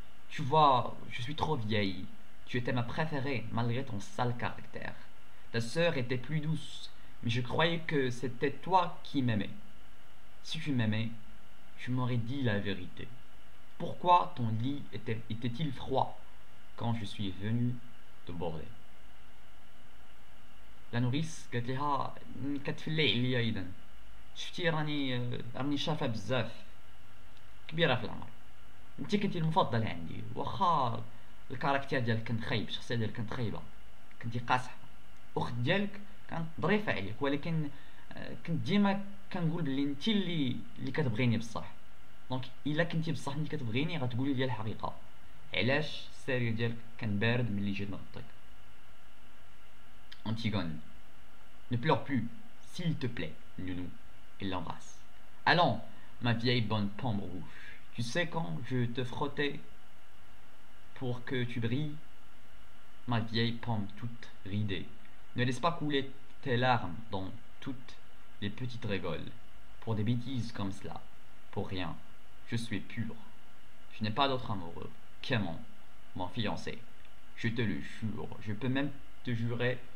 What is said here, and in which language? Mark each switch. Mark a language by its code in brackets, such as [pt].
[fr] Tu vois, je suis trop vieille. Tu étais ma préférée malgré ton sale caractère. Ta sœur était plus douce, mais je croyais que c'était toi qui m'aimais. Si tu m'aimais, tu m'aurais dit la vérité. Pourquoi ton lit était-il froid quand je suis venu te border? La nourrice, [ar] قالت ليها كتفلي عليا اذا شفتي راني شافه بزاف كبيره في العمر انت كنتي المفضل عندي واخا الكاركتير ديالك كان خايب الشخصيه ديالك كانت خايبه كنتي قاصحه اخت ديالك كانت ظريفه عليك ولكن كنت ديما كنقول بلي انت اللي كتبغيني بصح دونك الا كنتي بصح انت كتبغيني غتقولي لي الحقيقه علاش السرير ديالك كان بارد ملي جيت نغطيك [fr] Antigone, ne pleure plus, s'il te plaît, nounou, et l'embrasse. Allons, ma vieille bonne pomme rouge, tu sais quand je te frottais pour que tu brilles, ma vieille pomme toute ridée, ne laisse pas couler tes larmes dans toutes les petites rigoles, pour des bêtises comme cela, pour rien, je suis pur, je n'ai pas d'autre amoureux qu'aimant, mon fiancé, je te le jure, je peux même te jurer.